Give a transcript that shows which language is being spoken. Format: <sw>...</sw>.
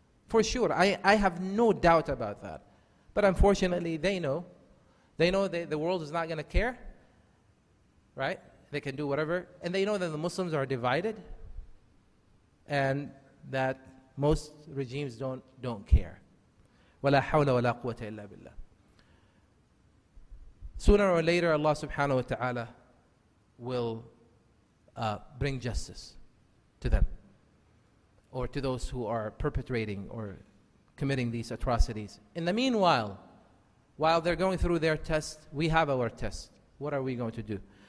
<en>For sure, I have no doubt about that. But unfortunately, they know the world is not gonna care, right? They can do whatever, and they know that the Muslims are divided, and that most regimes don't care.</en> <ar>ولا حول ولا قوة إلا بالله.</ar> <en>Sooner or later, Allah subhanahu wa ta'ala will bring justice to them or to those who are perpetrating or committing these atrocities. In the meanwhile, while they're going through their test, we have our test. What are we going to do?</en>